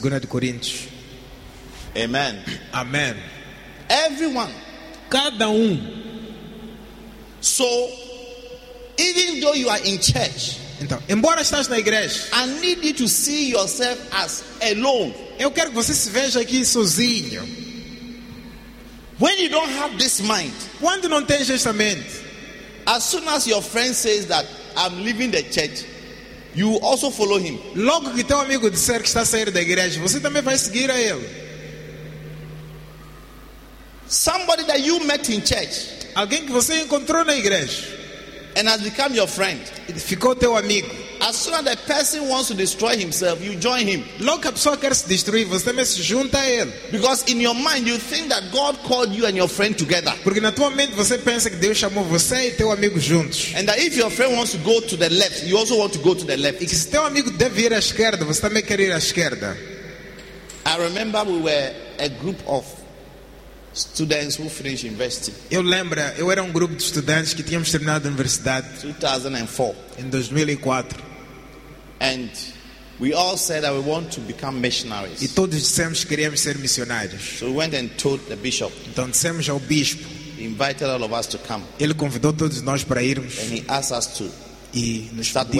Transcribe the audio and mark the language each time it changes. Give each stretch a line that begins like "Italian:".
Portuguese: 2 Coríntios. Amen. Amen.
English: Everyone,
Portuguese: cada
English: So, even though you are in church,
Portuguese: então, embora estás na igreja,
English: I need you to see yourself as alone.
Portuguese: Eu quero que você se veja aqui sozinho.
English: When you don't have this mind,
Portuguese: quando não tens esta mente,
English: as soon as your friend says that I'm leaving the church, you also follow him.
Portuguese: Logo que teu amigo disser que está saindo da igreja, você também vai seguir a ele.
English: Somebody that you met in church,
Portuguese: alguém que você encontrou na igreja,
English: and has become your friend,
Portuguese: ficou teu amigo.
English: As soon as the person wants to destroy himself, you join him.
Portuguese: Logo que a pessoa quer se destruir, você também se junta a ele.
English: Because in your mind you think that God called you and your friend together.
Portuguese: Porque na tua mente você pensa que Deus chamou você e teu amigo juntos.
English: And that if your friend wants to go to the left, you also want to go to the left.
Portuguese: E que se teu amigo deve ir à esquerda, você também quer ir à esquerda.
English: I remember we were a group of students who finished university.
Portuguese: Eu lembro, eu era grupo de estudantes que tínhamos terminado a universidade. 2004. Em 2004.
English: And we all said that we want to become missionaries.
Portuguese: E todos dissemos que queríamos ser missionários.
English: So we went and told the bishop.
Portuguese: Então dissemos ao bispo.
English: He invited all of us to come.
Portuguese: Ele convidou todos nós para irmos.
English: And he asked us to
Portuguese: e nos start pediu